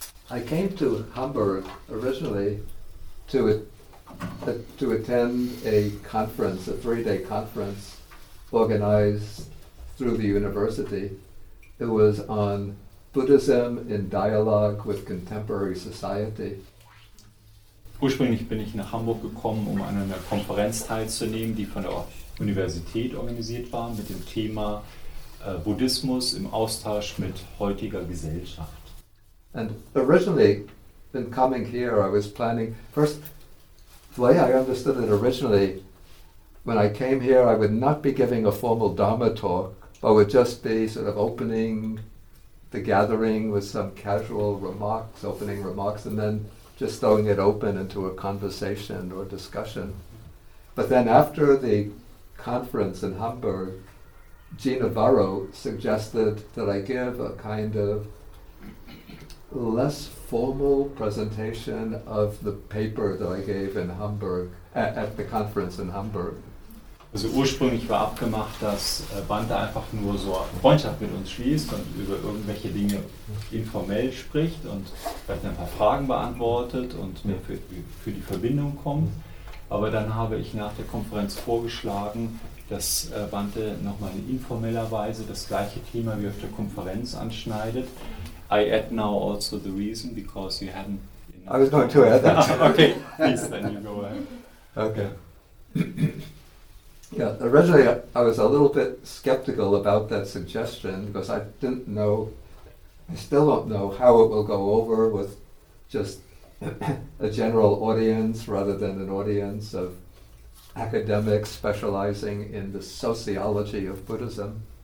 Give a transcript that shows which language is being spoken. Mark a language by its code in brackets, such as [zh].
[en] I came to Hamburg originally to attend a conference, a three-day conference organized through the university. It was on Buddhism in dialogue with contemporary society. [de] Ursprünglich bin ich nach Hamburg gekommen, um an einer Konferenz teilzunehmen, die von der Universität organisiert war, mit dem Thema Buddhismus im Austausch mit heutiger Gesellschaft. [en] And originally, in coming here, I was planning, first, the way I understood it originally, when I came here, I would not be giving a formal Dharma talk, but would just be sort of opening the gathering with some casual remarks, opening remarks, and then just throwing it open into a conversation or discussion. But then after the conference in Hamburg, Jean Navarro suggested that I give a kind of less formal presentation of the paper that I gave in Hamburg, at the conference in Hamburg. [de] Also ursprünglich war abgemacht, dass Banta einfach nur so Freundschaft mit uns schließt und über irgendwelche Dinge informell spricht und vielleicht ein paar Fragen beantwortet und mehr für die Verbindung kommt. Aber dann habe ich nach der Konferenz vorgeschlagen, dass Bante nochmal in informeller Weise das gleiche Thema wie auf der Konferenz anschneidet. [en] I add now also the reason, because you hadn't... I was going to add that. Okay, please, then you go ahead. Okay. Yeah, originally I was a little bit skeptical about that suggestion, because I didn't know, I still don't know how it will go over with just a general audience rather than an audience of academics specializing in the sociology of Buddhism.